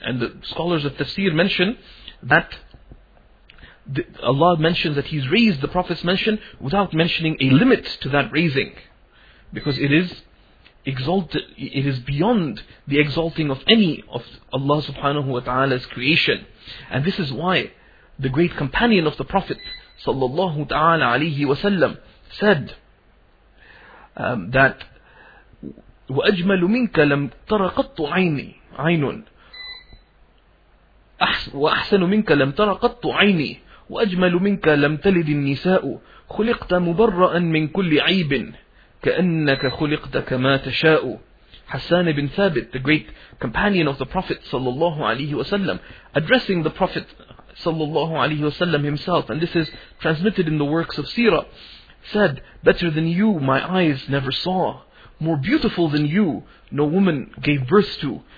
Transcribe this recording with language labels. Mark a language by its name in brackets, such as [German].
[English] And the scholars of tafsir mention that Allah mentions that He's raised the Prophet's mention without mentioning a limit to that raising, because it is exalted, it is beyond the exalting of any of Allah subhanahu wa ta'ala's creation. And this is why the great companion of the Prophet sallallahu ta'ala alayhi wa sallam said that [Arabic] وَأَجْمَلُ مِنْكَ لَمْ تَرَ قَطُّ عَيْنِي عَيْنٌ وَأَحْسَنُ مِنْكَ لَمْ تَرَ قَطُّ عَيْنِي وَأَجْمَلُ مِنْكَ لَمْ تَلِدِ النِّسَاءُ خُلِقْتَ مُبَرَّأً مِنْ كُلِّ عَيْبٍ كَأَنَّكَ خُلِقْتَ كَمَا تَشَاءُ. [English] Hassan ibn Thabit, the great companion of the Prophet sallallahu alayhi wa sallam, addressing the Prophet sallallahu alayhi wa sallam himself, and this is transmitted in the works of Sirah, said, better than you my eyes never saw, more beautiful than you no woman gave birth to.